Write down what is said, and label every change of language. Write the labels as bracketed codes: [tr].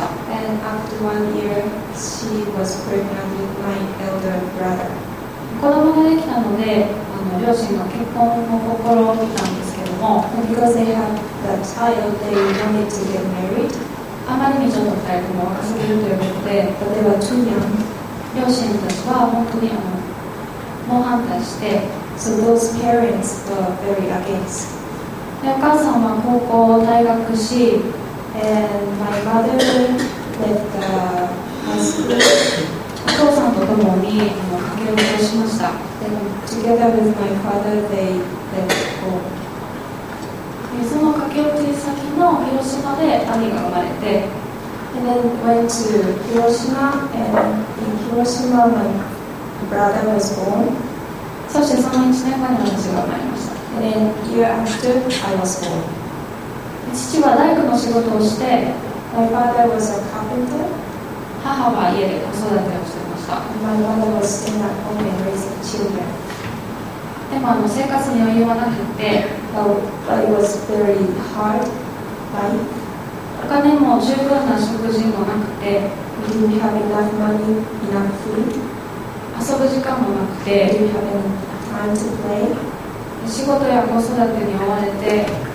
[en] And after 1 year, she was pregnant with my elder brother. [ja] 子供ができたので、両親が結婚の心を見たんですけども、 [en] And because they had the child, they wanted to get married. [ja] あまりにちょっと二人とも若すぎるということで、例えば中年、両親たちは本当に猛反対して、 [en] So those parents were very against. [ja] で、お母さんは高校を退学し、 [en] And my mother left high school. [ja] お父さんと共に、しました。 [en] Then together with my father, they left home. [ja] その駆け落ち先の広島で兄が生まれて、 [en] And then went to Hiroshima, and in Hiroshima, my brother was born. [ja] そしてその1年後に私が生まれました。 [en] And then year after, I was born. [ja] 父は大工の仕事をして、 [en] My father was a carpenter. [ja] 母は家で子育てをして、 [en] My mother was staying at home and raising children. [ja] でも生活に余裕はなくて、 [en] but it was very hard life. [ja] お金も十分な食事もなくて、 [en] we didn't have enough money, enough food. [ja] 遊ぶ時間もなくて、 [en] we didn't have any time to play. [ja] 仕事や子育てに追われて、